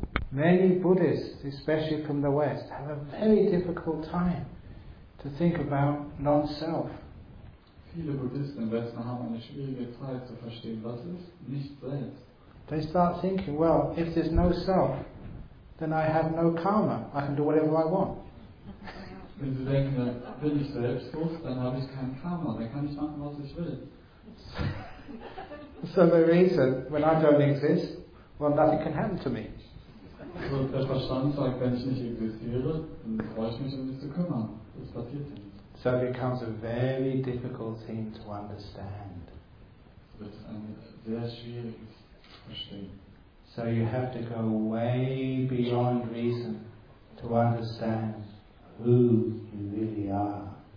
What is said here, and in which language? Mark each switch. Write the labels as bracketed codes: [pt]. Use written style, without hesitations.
[en] Many Buddhists, especially from the West, have a very difficult time to think about non-self. [de] Viele Buddhisten im Westen haben eine schwierige Zeit zu verstehen, was ist nicht selbst. [en] They start thinking, well, if there's no self, then I have no karma. I can do whatever I want. [de] Wenn Sie denken, bin ich selbstlos, dann habe ich kein Karma. Dann kann ich machen, was ich will. [en] So the reason, when I don't exist, well, nothing can happen to me. [de] So der Verstand sagt, wenn ich nicht existiere, dann brauche ich mich um mich zu kümmern. Das passiert nicht. [en] So it becomes a very difficult thing to understand. [de] So wird es ein sehr schwieriges Verstehen. [en] So you have to go way beyond reason to understand who you really are.